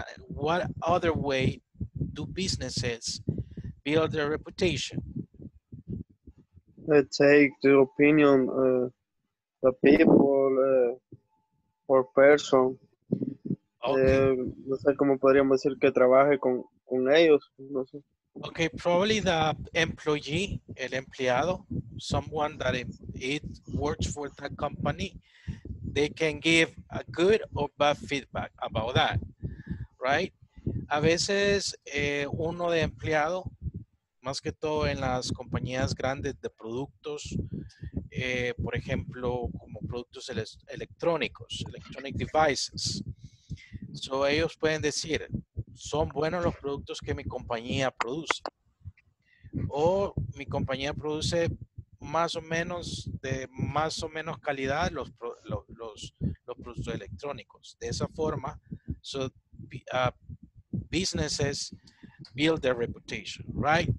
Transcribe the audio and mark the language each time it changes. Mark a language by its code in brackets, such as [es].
[en] What other way do businesses build their reputation? They take the opinion of the people or person. Okay. [es] No sé cómo podríamos decir que trabaje con ellos. No sé. [en] Okay, probably the employee, [es] el empleado, [en] someone that it works for that company, they can give a good or bad feedback about that, right? [es] A veces uno de empleado, más que todo en las compañías grandes de productos, por ejemplo, como productos electrónicos, [en] electronic devices. [es] So ellos pueden decir, son buenos los productos que mi compañía produce. O mi compañía produce más o menos, de más o menos calidad los productos electrónicos. De esa forma, [en] so businesses build their reputation, right?